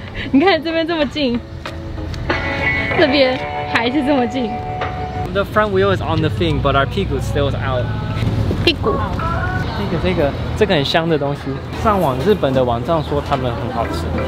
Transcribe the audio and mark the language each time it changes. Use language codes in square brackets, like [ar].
[zh] 你看这边这么近，这边还是这么近。 [en] The front wheel is on the thing, but our 屁股 still is out. [zh] 屁股。这个很香的东西，上网日本的网站说他们很好吃。